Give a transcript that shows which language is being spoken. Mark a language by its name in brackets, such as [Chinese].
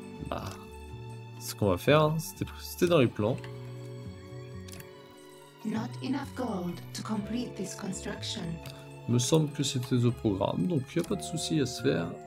[French] Bah, c'est ce qu'on va faire, hein. C'était dans les plans. [English] Not enough gold to complete this construction. [French] Me semble que c'était au programme, donc il n'y a pas de souci à se faire.